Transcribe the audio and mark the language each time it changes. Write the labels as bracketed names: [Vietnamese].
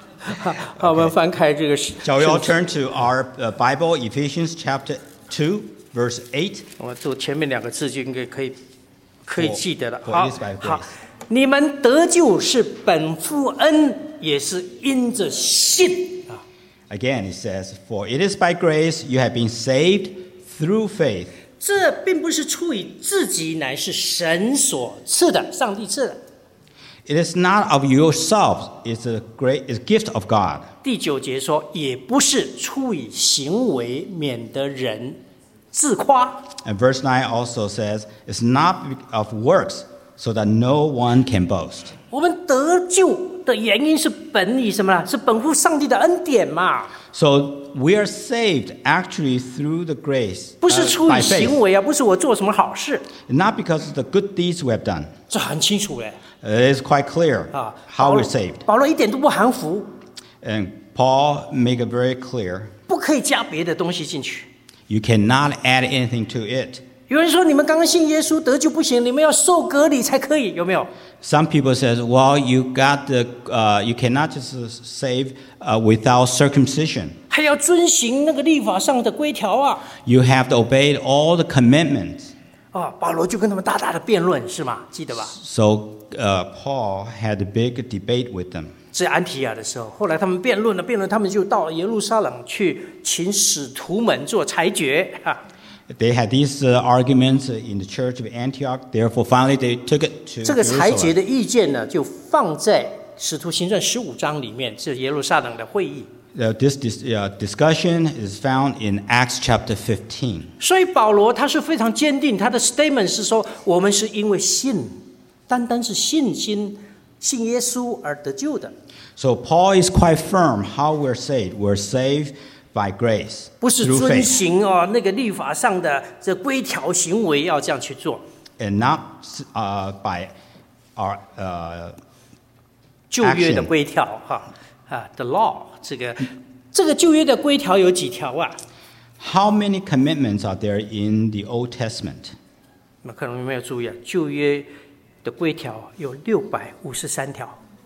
[Chinese] 好， okay. 我们翻开这个。 [English] Shall we all turn to our Bible, Ephesians chapter 2, verse 8? [Chinese] 我读前面两个字就应该可以记得了。 [English] For it is by grace. [Chinese] 好。你们得救是本乎恩，也是因着信。 [English] Again, it says, "For it is by grace you have been saved through faith." [Chinese] 这并不是出于自己，乃是神所赐的，上帝赐的。 [English] It is not of yourselves; it's a great, it's a gift of God. [Chinese] 第九节说，也不是出于行为，免得人自夸。 [English] And verse 9 also says, "It's not of works." So that no one can boast. [Chinese] 我们得救的原因是本于什么呢？是本乎上帝的恩典嘛。 [English] So we are saved actually through the grace. [Chinese] 不是出于行为啊，不是我做什么好事。 [English] Not because of the good deeds we have done. [Chinese] 这很清楚嘞。 [English] It is quite clear how we're saved. [Chinese] 保罗一点都不含糊。 [English] And Paul make it very clear. [Chinese] 不可以加别的东西进去。 [English] You cannot add anything to it. [Chinese] 有人说你们刚信耶稣得救不行，你们要受隔离才可以，有没有？ [English] Some people say, well, you got the, you cannot just save without circumcision. [Chinese] 还要遵循那个律法上的规条啊。 [English] You have to obey all the commandments. [Chinese] 哦，保罗就跟他们大大的辩论，是吗？记得吧？ [English] So, Paul had a big debate with them. [Chinese] 在安提亚的时候，后来他们辩论了，辩论他们就到耶路撒冷去请使徒们做裁决。 [English] They had these arguments in the church of Antioch. Therefore, finally, they took it to Jerusalem. [Chinese] 这个裁决的意见呢，就放在《使徒行传》十五章里面，是耶路撒冷的会议。 [English] This discussion is found in Acts chapter 15. [Chinese] 所以保罗他是非常坚定，他的 statement 是说，我们是因为信，单单是信心，信耶稣而得救的。 [English] So Paul is quite firm how we're saved. We're saved. By grace, [Chinese] 不是遵循哦，那个律法上的这规条行为要这样去做。 [English] And not by our [Chinese] 旧约的规条哈啊 ， [English] the law [Chinese] 这个旧约的规条有几条啊 [English] ？How many commitments are there in the Old Testament？ [Chinese] 那可能没有注意啊，旧约的规条有653条。